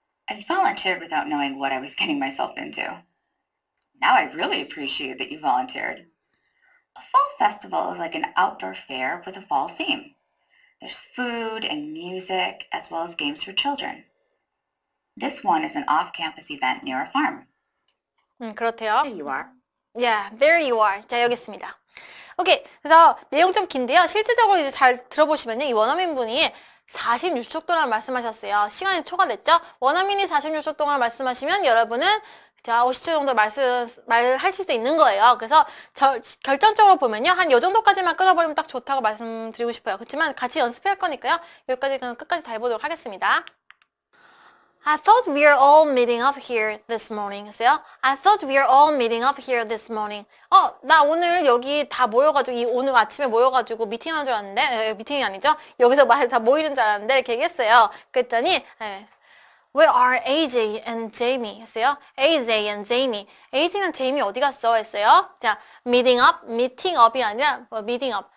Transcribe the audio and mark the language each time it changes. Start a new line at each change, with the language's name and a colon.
English: I volunteered without knowing what I was getting myself into. Now I really appreciate that you volunteered. A fall festival is like an outdoor fair with a fall theme. There's food and music, as well as games for children. This one is an off-campus event near a farm.
Korean: 그렇대요.
English: There you are. Yeah, there you are.
Korean: 자, 여기 있습니다. 오케이, 그래서 내용 좀 긴데요. 실질적으로 이제 잘 들어보시면요. 이 원어민 분이 46초 동안 말씀하셨어요. 시간이 초과됐죠? 원어민이 46초 동안 말씀하시면 여러분은 자, 50초 정도 말하실 수 있는 거예요. 그래서 결정적으로 보면요. 한 요 정도까지만 끊어버리면 딱 좋다고 말씀드리고 싶어요. 그렇지만 같이 연습해야 할 거니까요. 여기까지 그럼 끝까지 다 해보도록 하겠습니다.
English: I thought we are all meeting up here this morning.
Korean: 하세요.
English: I thought we are all meeting up here this morning.
Korean: 나 오늘 여기 다 모여가지고, 오늘 아침에 모여가지고 미팅하는 줄 알았는데, 미팅이 아니죠? 여기서 다 모이는 줄 알았는데, 이렇게 얘기했어요. 그랬더니, 예.
English: Where are AJ and Jamie?
Korean: 했어요. AJ and Jamie. AJ and Jamie 어디 갔어? 했어요. 자, meeting up, meeting up이 아니라 뭐 meeting up.